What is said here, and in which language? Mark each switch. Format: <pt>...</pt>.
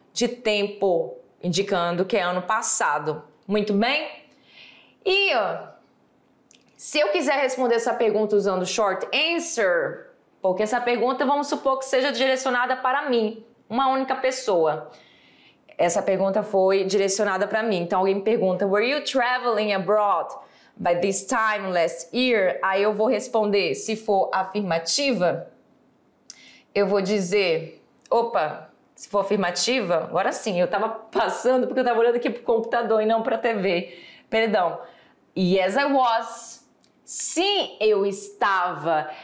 <pt>de tempo, indicando que é ano passado. Muito bem? E ó, se eu quiser responder essa pergunta usando short answer, porque essa pergunta, vamos supor que seja direcionada para mim, uma única pessoa. Essa pergunta foi direcionada para mim. Então alguém me pergunta,</pt> <en>were you traveling abroad by this time last year?</en> <pt>Aí eu vou responder, se for afirmativa, eu vou dizer, opa, se for afirmativa, agora sim, eu estava passando porque eu estava olhando aqui para o computador e não para a TV. Perdão.</pt> <en>Yes, I was.</en> <pt>Sim, eu estava.</pt>